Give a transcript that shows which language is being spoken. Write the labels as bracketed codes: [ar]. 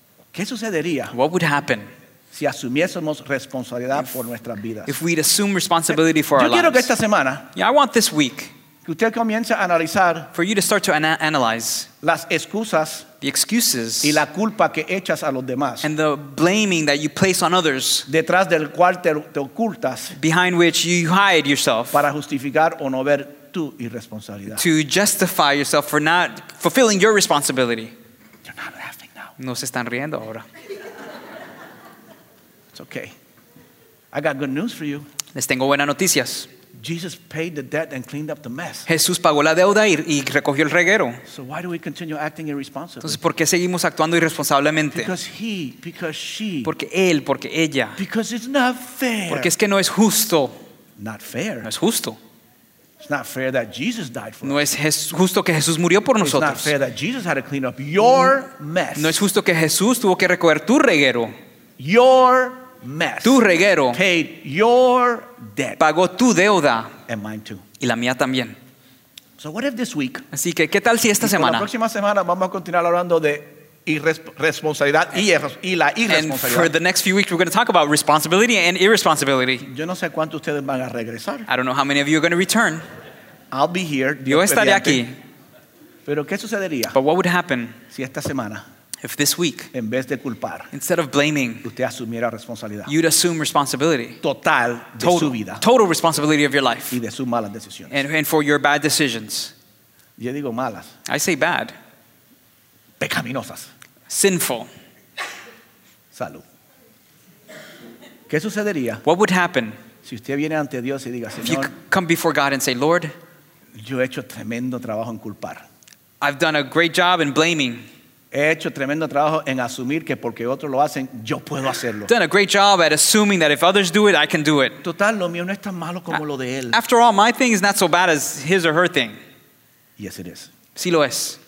[es] ¿Qué sucedería? [en] What would happen? [es] Si asumiésemos responsabilidad por nuestras vidas. [en] If we'd assume responsibility for [es] Yo [en] our lives. [es] Yo quiero que esta semana. [en] Yeah, I want this week. [es] Que usted comience a analizar. [en] For you to start to analyze. [es] Las excusas. [en] The excuses. [es] Y la culpa que echas a los demás. [en] And the blaming that you place on others. [es] Detrás del cual te ocultas. [en] Behind which you hide yourself. [es] Para justificar o no ver tu irresponsabilidad. [en] To justify yourself for not fulfilling your responsibility. You're not laughing now. [es] No se están riendo ahora. [en] It's okay. I got good news for you. [es] Les tengo buenas noticias. [en] Jesus paid the debt and cleaned up the mess. [es] Jesús pagó la deuda y recogió el reguero. [en] So why do we continue acting irresponsibly? [es] Entonces, ¿por qué seguimos actuando irresponsablemente? [en] Because she. [es] Porque él, porque ella. [en] Because it's not fair. [es] Porque es que no es justo. [en] Not fair. [es] No es justo. [en] It's not fair that Jesus died for us. [es] No es justo que Jesús murió por nosotros. [en] It's not fair that Jesus had to clean up your mess. [es] No es justo que Jesús tuvo que recoger tu reguero. [en] Your mess. [es] Tu reguero. [en] Paid your debt. [es] Pagó tu deuda. [en] And mine too. [es] Y la mía también. [en] So what if this week? [es] Así que ¿qué tal si esta semana? La próxima semana vamos a continuar hablando de irresponsabilidad y la irresponsabilidad. [en] And for the next few weeks we're going to talk about responsibility and irresponsibility. [es] Yo no sé cuántos ustedes van a regresar. [en] I don't know how many of you are going to return. I'll be here. [es] Yo estaré aquí. Pero ¿qué sucedería? [en] But what would happen? [es] Si esta semana. [en] If this week, [es] en vez de culpar, [en] instead of blaming, [es] usted asumiera responsabilidad, [en] you'd assume responsibility. [es] Total, [en] total [es] de su vida. [en] Total responsibility of your life. [es] Y de sus malas decisiones. [en] And for your bad decisions. [es] Yo digo malas. [en] I say bad. [es] Pecaminosas. [en] Sinful. [es] Salud. ¿Qué sucedería? [en] What would happen? [es] Si usted viene ante Dios y diga, [en] if you come before God and say, Lord, [es] Yo he hecho tremendo trabajo en culpar. [en] I've done a great job in blaming. [es] He hecho tremendo trabajo en asumir que porque otros lo hacen, yo puedo hacerlo. [en] Done a great job at assuming that if others do it, I can do it. [es] Total, lo mío no es tan malo como lo de él. [en] After all, my thing is not so bad as his or her thing. Yes, it is. [es] Sí lo es.